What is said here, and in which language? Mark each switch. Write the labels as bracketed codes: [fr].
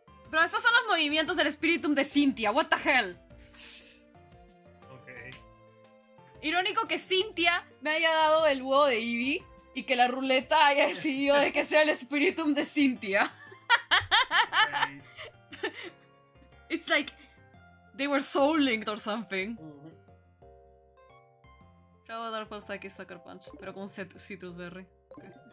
[es] Pero esos son los movimientos del Spiritum de Cynthia. [en] What the hell? [es] Irónico que Cynthia me haya dado el huevo de Eevee y que la ruleta haya decidido de que sea el Spiritum de Cynthia. [en] Okay. It's like they were soul linked or something. [es] Yo voy a dar por Saki Sucker Punch, pero con Citrus Berry. [en] Okay.